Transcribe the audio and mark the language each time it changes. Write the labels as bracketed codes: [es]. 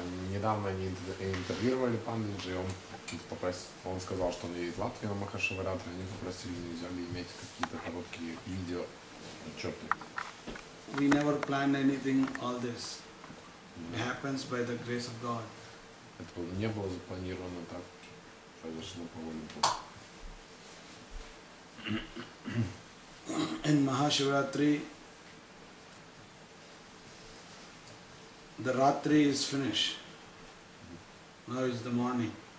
[ru] Недавно они интервьюировали Пандиджи. Он сказал, что он едет в Латвию на Махашиваратри. Они попросили, нельзя ли иметь какие-то короткие видео отчеты. [en] We never planned anything. All this it happens by the grace of God. [ru] Это не было запланировано так, произошло по воле Бога. [en] In Mahashivaratri, the Ratri is finished. Now is the morning.